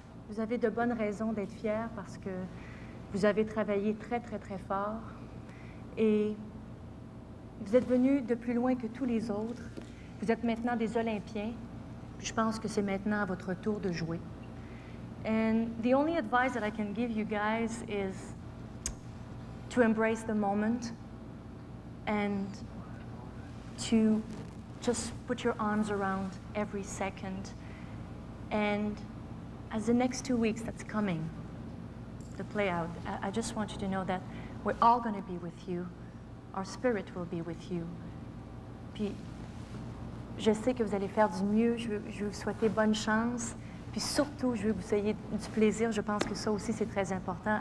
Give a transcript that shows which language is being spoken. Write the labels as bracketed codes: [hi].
[fr] Vous avez de bonnes raisons d'être fiers parce que vous avez travaillé très, très, très fort et vous êtes venus de plus loin que tous les autres. Vous êtes maintenant des Olympiens. Je pense que c'est maintenant votre tour de jouer. [en] And the only advice that I can give you guys is to embrace the moment and to just put your arms around every second. And as the next 2 weeks that's coming, the play out, I just want you to know that we're all going to be with you. Our spirit will be with you. [fr] Puis, je sais que vous allez faire du mieux. Je vous souhaite bonne chance. Puis surtout, je veux que vous ayez du plaisir. Je pense que ça aussi, c'est très important.